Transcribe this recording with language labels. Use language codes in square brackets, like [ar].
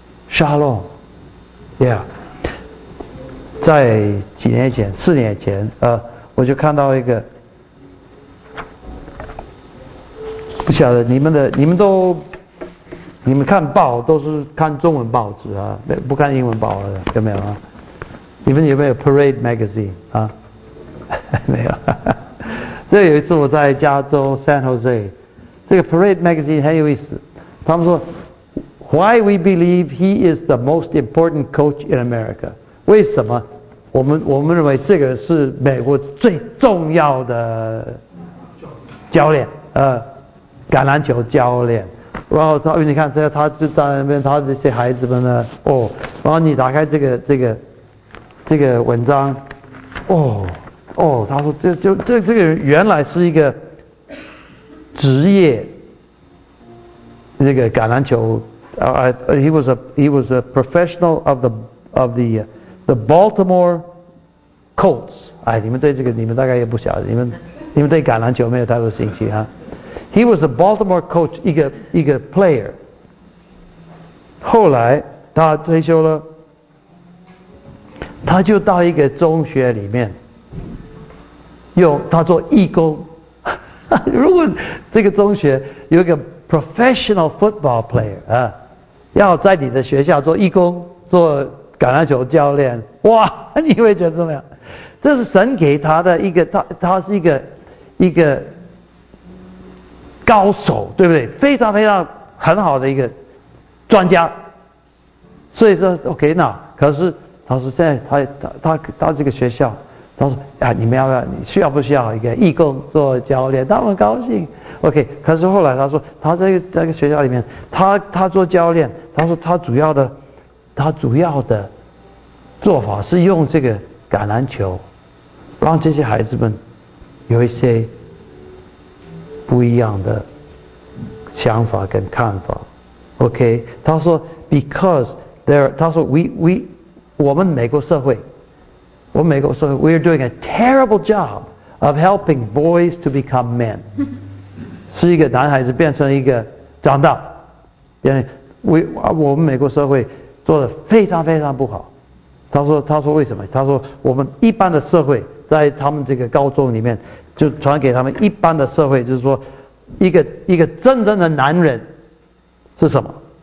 [zh] Shalom， yeah。在几年前，四年前，我就看到一个，不晓得你们看报都是看中文报纸啊，不看英文报的，有没有啊？你们有没有 Parade Magazine 啊？没有。这有一次我在加州 San Jose， 这个 Parade Magazine 很有意思，他们说 ， [en] Why we believe he is the most important coach in America？ [zh] 为什么？我们认为这个是美国最重要的教练，橄榄球教练。然后他，你看他就在那边，他这些孩子们呢，哦，然后你打开这个文章，哦，他说这个原来是一个职业那个橄榄球， [en] he was a professional of the Baltimore Colts， [zh] 哎，你们对这个你们大概也不晓得，你们对橄榄球没有太多兴趣哈。 [en] He was a Baltimore coach， [zh] 一个 [en] player。 [zh] 后来他退休了，他就到一个中学里面，用他做义工。如果这个中学有一个 professional football player 啊，要在你的学校做义工，做橄榄球教练，哇，你会觉得怎么样？这是神给他的一个，他是一个高手，对不对？非常非常很好的一个专家。所以说 OK， 那可是他说现在他这个学校，他说啊，你们要不要，你需要不需要一个义工做教练？他们高兴 OK。可是后来他说他在这个学校里面，他做教练，他说他主要的做法是用这个橄榄球让这些孩子们有一些不一样的想法跟看法。 [en] OK， 他说 because there， 他说 [zh] 我们美国社会 [en] we are doing a terrible job of helping boys to become men。 [zh] 是一个男孩子变成一个长大，因为 我们美国社会做得非常非常不好。他说为什么？他说我们一般的社会在他们这个高中里面就传给他们一般的社会，就是说一个真正的男人是什么？